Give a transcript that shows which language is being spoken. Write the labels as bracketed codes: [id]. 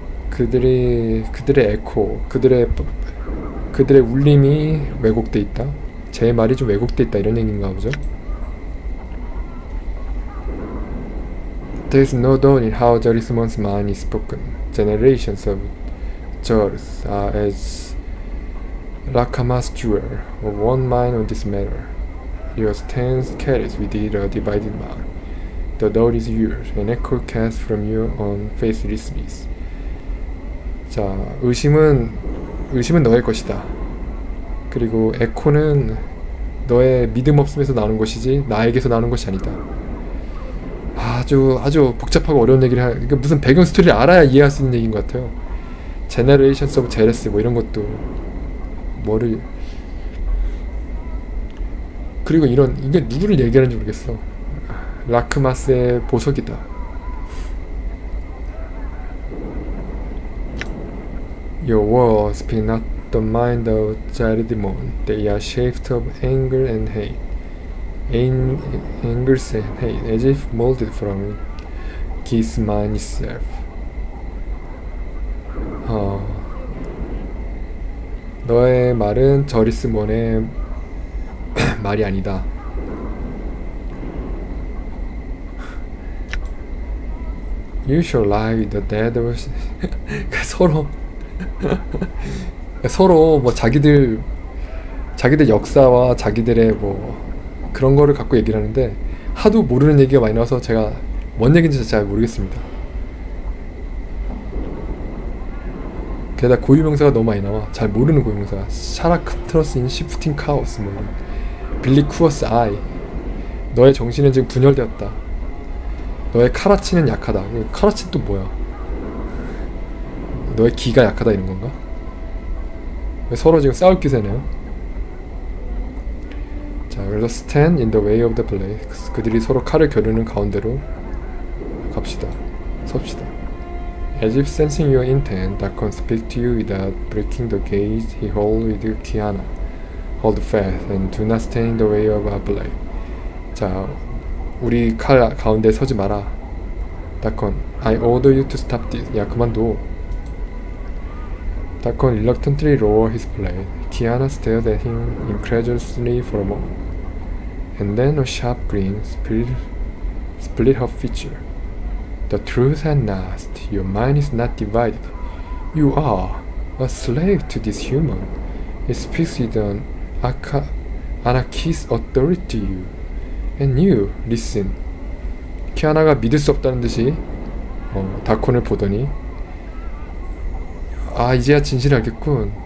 [ko] 그들의 에코, 그들의 울림이 왜곡돼 있다. 제 말이 좀 왜곡돼 있다 이런 얘기인가 보죠. [en] There is no doubt in how Jarismon's mind is spoken. Generations of Jars are as Rakama's jewel of one mind on this matter. Your stance carries with it a divided mind. The doubt is yours, an echo cast from your own faithlessness. [ko] 자, 의심은 너의 것이다. 그리고 에코는 너의 믿음 없음에서 나오는 것이지 나에게서 나오는 것이 아니다. 아주 아주 복잡하고 어려운 얘기를 하. 이게 무슨 배경 스토리를 알아야 이해할 수 있는 얘기인 것 같아요. [en] Generations of Jealousy [ko] 뭐 이런 것도 뭐를. 그리고 이런 이게 누구를 얘기하는지 모르겠어. 라크마스의 보석이다. [en] 요어 스피나 The mind of Jaredimon, they are shaped of anger and hate, anger and hate, as if molded from his mind itself. [ko] 너의 말은 저리스몬의 말이 아니다. [en] You shall lie with the dead. 서로. [ko] 서로 뭐 자기들 역사와 자기들의 뭐 그런 거를 갖고 얘기를 하는데 하도 모르는 얘기가 많이 나와서 제가 뭔 얘기인지 잘 모르겠습니다. 게다가 고유명사가 너무 많이 나와. 잘 모르는 고유명사가 샤라크트러스 인 시프팅 카오스 뭐 빌리 쿠어스 아이. 너의 정신은 지금 분열되었다. 너의 카라치는 약하다. 카라치는 또 뭐야? 너의 기가 약하다 이런 건가? 서로 지금 싸울 기세네요. 자, 그래서 [en] stand in the way of the blade. [ko] 그들이 서로 칼을 겨누는 가운데로 갑시다. 섭시다. [en] As if sensing your intent, Dacon speaks to you without breaking the gaze he holds with you, Kiana. Hold fast and do not stand in the way of a blade. [ko] 자, 우리 칼 가운데 서지 마라. [en] Dacon, I order you to stop this. [ko] 야, 그만둬. [en] Dacon reluctantly lowered his blade. Kiana stared at him incredulously for a moment, and then a sharp grin split her feature. The truth at last. Your mind is not divided. You are a slave to this human. It speaks with an anarchist authority to you. And you, listen. [ko] 키아나가 믿을 수 없다는 듯이 다콘을 보더니 아 이제야 진실을 알겠군.